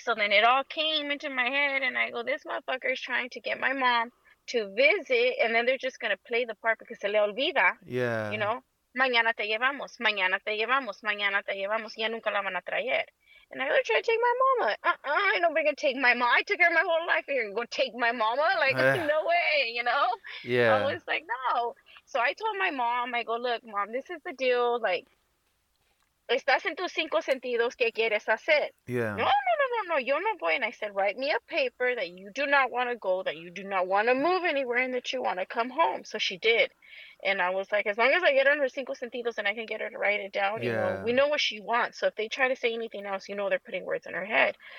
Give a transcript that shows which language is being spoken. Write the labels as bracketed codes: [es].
[en] So then it all came into my head. And I go, this motherfucker is trying to get my mom to visit. And then they're just going to play the part because [es] se le olvida. [en] Yeah. You know? [es] Mañana te llevamos, ya nunca la van a traer. [en] And I go, try to take my mama. Ain't nobody gonna take my mom. I took her my whole life. You're gonna go take my mama? Like, no way, you know? Yeah. I was like, no. So I told my mom, I go, look, mom, this is the deal. [es] Like, estás en tus 5 sentidos, ¿qué quieres hacer? [en] Yeah. [es] No, yo no voy. [en] And I said, write me a paper that you do not want to go, that you do not want to move anywhere, and that you want to come home. So she did. And I was like, as long as I get under 5 sentidos and I can get her to write it down, you know, we know what she wants. So if they try to say anything else, you know they're putting words in her head.